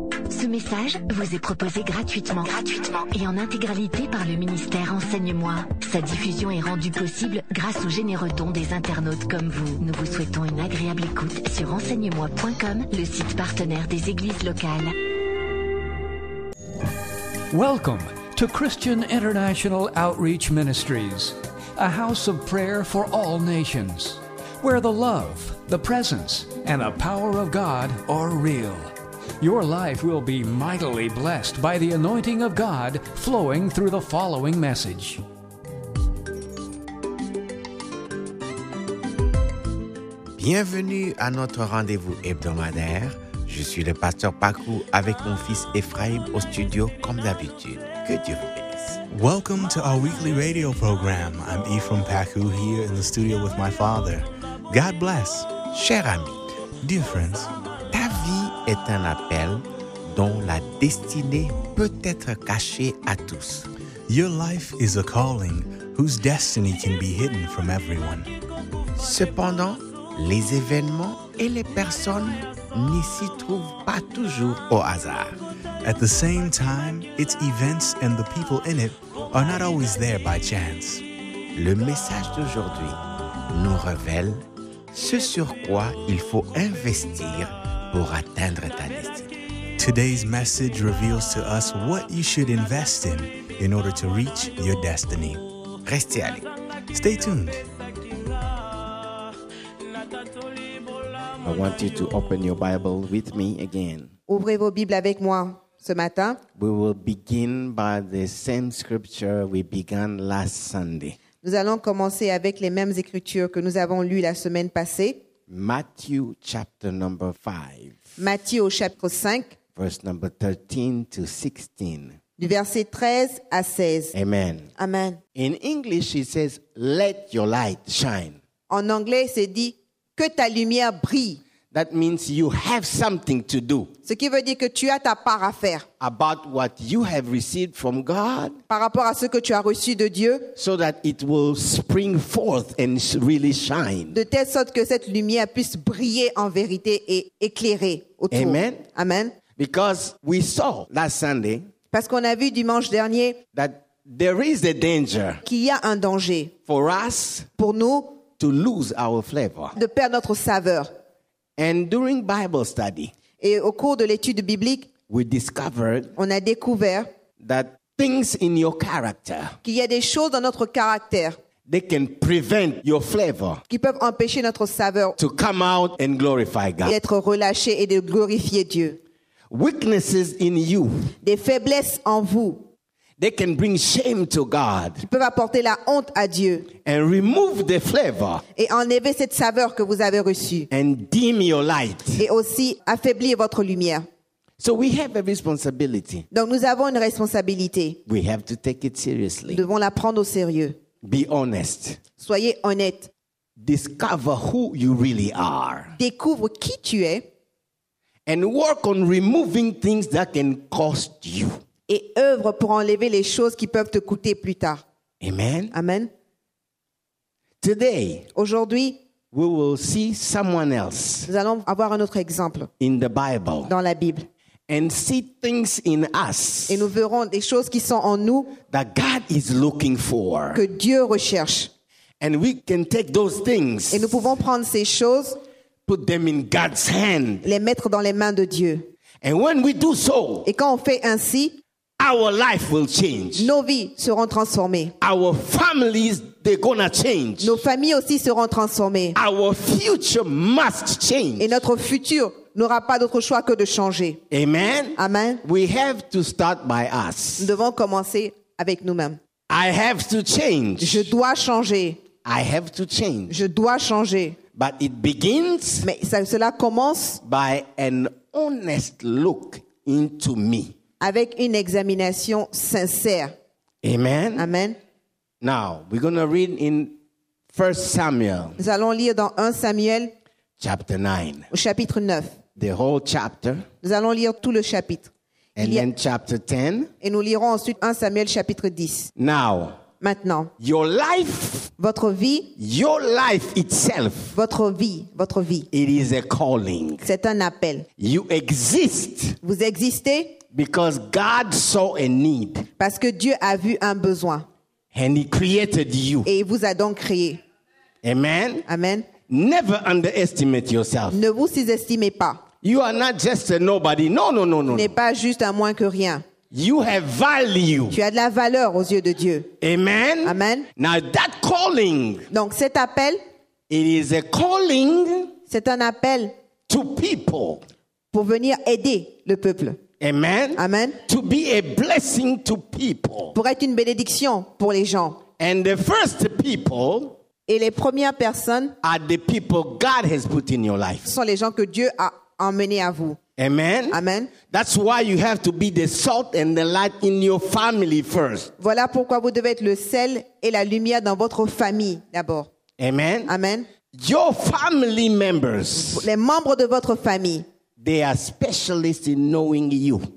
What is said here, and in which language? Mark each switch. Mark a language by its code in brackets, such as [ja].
[fr] Ce message vous est proposé gratuitement. Gratuitement. Et en intégralité par le ministère Enseigne-moi. Sa diffusion est rendue possible grâce aux généreux dons des internautes comme vous. Nous vous souhaitons une agréable écoute sur enseignemoi.com, le site partenaire des églises locales. [en] Welcome to Christian International Outreach Ministries, a house of prayer for all nations, where the love, the presence, and the power of God are real. Your life will be mightily blessed by the anointing of God flowing through the following message. [fr] Bienvenue à notre rendez-vous hebdomadaire. Je suis le pasteur Pakou avec mon fils Ephraim au studio comme d'habitude. Que Dieu vous bénisse. [en] Welcome to our weekly radio program. I'm Ephraim Pakou here in the studio with my father. God bless. [fr] Cher ami. [en] Dear friends. [fr] Ta vie est un appel dont la destinée peut être cachée à tous. [en] Your life is a calling whose destiny can be hidden from everyone. [fr] Cependant, les événements et les personnes n'y s'y trouvent pas toujours au hasard. [en] At the same time, its events and the people in it are not always there by chance. [fr] Le message d'aujourd'hui nous révèle ce sur quoi il faut investir pour atteindre ta destinée. [en] Today's message reveals to us what you should invest in order to reach your destiny. [fr] Restez à l'écoute. [en] Stay tuned. I want you to open your Bible with me again. [fr] Ouvrez vos Bibles avec moi ce matin. [en] We will begin by the same scripture we began last Sunday. [fr] Nous allons commencer avec les mêmes écritures que nous avons lues la semaine passée. [en] Matthew chapter number 5. [fr] Matthieu au chapitre 5. [en] Verse number 13 to 16. [fr] Du verset 13 à 16. [en] Amen. [fr] Amen. [en] In English it says, let your light shine. [fr] En anglais c'est dit, que ta lumière brille. [en] That means you have something to do. [fr] Ce qui veut dire que tu as ta part à faire. [en] About what you have received from God. [fr] Par rapport à ce que tu as reçu de Dieu. [en] So that it will spring forth and really shine. [fr] De telle sorte que cette lumière puisse briller en vérité et éclairer autour. [en] Amen. [fr] Amen. [en] Because we saw last Sunday. [fr] Parce qu'on a vu dimanche dernier. [en] That there is a danger. [fr] Qu'il y a un danger. [en] For us. [fr] Pour nous. [en] To lose our flavor. [fr] De perdre notre saveur. [en] And during Bible study, [fr] et au cours de l'étude biblique, [en] we discovered, [fr] on a découvert, [en] that things in your character, [fr] qu'il y a des choses dans notre caractère, [en] they can prevent your flavor, [fr] qui peuvent empêcher notre saveur, [en] to come out and glorify God, [fr] d'être relâché et de glorifier Dieu. [en] Weaknesses in you, [fr] des faiblesses en vous, [en] they can bring shame to God, [fr] qui peuvent apporter la honte à Dieu, [en] and remove the flavor, [fr] et enlever cette saveur que vous avez reçue, [en] and dim your light, [fr] et aussi affaiblir votre lumière. [en] So we have a responsibility. [fr] Donc nous avons une responsabilité. [en] We have to take it seriously. [fr] Nous devons la prendre au sérieux. [en] Be honest. [fr] Soyez honnête. [en] Discover who you really are. [fr] Découvre qui tu es. [en] And work on removing things that can cost you. [fr] Et œuvre pour enlever les choses qui peuvent te coûter plus tard. [en] Amen. [fr] Amen. [en] Today, [fr] aujourd'hui, [en] we will see someone else. [fr] Nous allons avoir un autre exemple. [en] In the Bible. [fr] Dans la Bible. [en] And see things in us. [fr] Et nous verrons des choses qui sont en nous. [en] That God is looking for. [fr] Que Dieu recherche. [en] And we can take those things. [fr] Et nous pouvons prendre ces choses. [en] Put them in God's hand. [fr] Les mettre dans les mains de Dieu. [en] And when we do so. [fr] Et quand on fait ainsi. [en] Our life will change. [fr] Nos vies seront transformées. [en] Our families, they're gonna change. [fr] Nos familles aussi seront transformées. [en] Our future must change. [fr] Et notre futur n'aura pas d'autre choix que de changer. [en] Amen. [fr] Amen. [en] We have to start by us. [fr] Nous devons commencer avec nous-mêmes. [en] I have to change. [fr] Je dois changer. [en] I have to change. [fr] Je dois changer. [en] But it begins. [fr] Mais ça, cela commence. [en] By an honest look into me. [fr] Avec une examination sincère. [en] Amen. [fr] Amen. [en] Now, we're going to read in 1 Samuel. [fr] Nous allons lire dans 1 Samuel. [en] Chapter 9. [fr] Au chapitre 9. [en] The whole chapter. [fr] Nous allons lire tout le chapitre. [en] And then chapter 10. [fr] Et nous lirons ensuite 1 Samuel chapitre 10. [en] Now, [fr] maintenant. [en] Your life, [fr] votre vie, [en] your life itself, [fr] votre vie, [en] it is a calling. [fr] C'est un appel. [en] You exist. [fr] Vous existez. [en] Because God saw a need. [fr] Parce que Dieu a vu un besoin. [en] And he created you. [fr] Et il vous a donc créé. [en] Amen. [fr] Amen. [en] Never underestimate yourself. [fr] Ne vous sous-estimez pas. [en] You are not just a nobody. No, no, no, no. [fr] Tu n'es pas juste un moins que rien. [en] You have value. [fr] Tu as de la valeur aux yeux de Dieu. [en] Amen. [fr] Amen. [en] Now that calling. [fr] Donc cet appel. [en] It is a calling. [fr] C'est un appel. [en] To people. [fr] Pour venir aider le peuple. [en] Amen. [fr] Amen. [en] To be a blessing to people. [fr] Pour être une bénédiction pour les gens. [en] And the first people. [fr] Et les premières personnes. [en] Are the people God has put in your life. [fr] Sont les gens que Dieu a emmenés à vous. [en] Amen. [fr] Amen. [en] That's why you have to be the salt and the light in your family first. [fr] Voilà pourquoi vous devez être le sel et la lumière dans votre famille d'abord. [en] Amen. [fr] Amen. [en] Your family members. [fr] Les membres de votre famille. [en] They are specialists in knowing you.